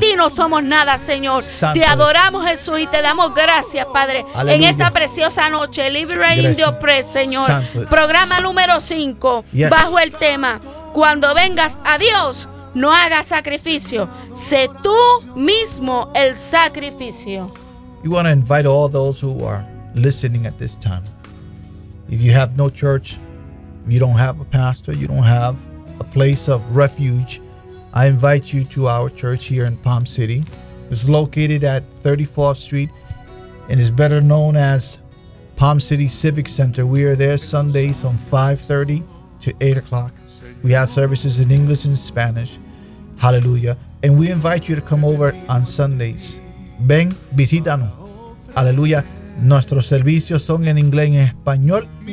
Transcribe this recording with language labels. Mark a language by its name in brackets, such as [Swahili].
[Spanish] Ti no somos nada, Señor. Santo te adoramos, Jesús, y te damos gracias, Padre. Aleluya. En esta preciosa noche, Liberating the Oppressed, Señor. Santo programa número 5, [English] yes. [Spanish] Bajo el tema: cuando vengas a Dios, no hagas sacrificio. Sé tú mismo el sacrificio. [English] You want to invite all those who are listening at this time. If you have no church, if you don't have a pastor, you don't have a place of refuge, I invite you to our church here in Palm City. It's located at 34th Street and is better known as Palm City Civic Center. We are there Sundays from 5:30 to 8 o'clock. We have services in English and Spanish. Hallelujah. And we invite you to come over on Sundays. [Spanish] Ven, visítanos. Aleluya. Nuestros servicios son en inglés y en español.